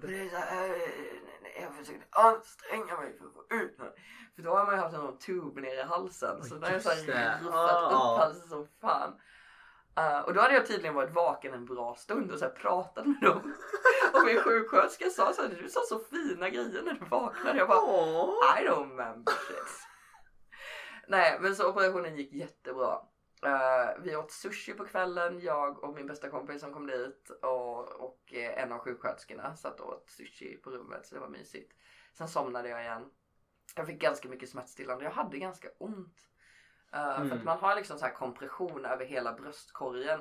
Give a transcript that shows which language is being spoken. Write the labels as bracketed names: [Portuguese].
[Swedish] Det är så här, jag försöker anstränga mig för att få ut. För då har man ju haft en tub nere i halsen. Så när jag så här ruffat upp halsen som fan. Och då hade jag tydligen varit vaken en bra stund och så här pratat med dem. Och min sjuksköterska sa så här, du sa så fina grejer när du vaknade. Jag bara, [English] I don't remember this. [Swedish] Nej, men så operationen gick jättebra. Vi åt sushi på kvällen, jag och min bästa kompis som kom dit. Och en av sjuksköterskorna satt och åt sushi på rummet, så det var mysigt. Sen somnade jag igen. Jag fick ganska mycket smärtstillande, jag hade ganska ont. För att man har liksom så här kompression över hela bröstkorgen.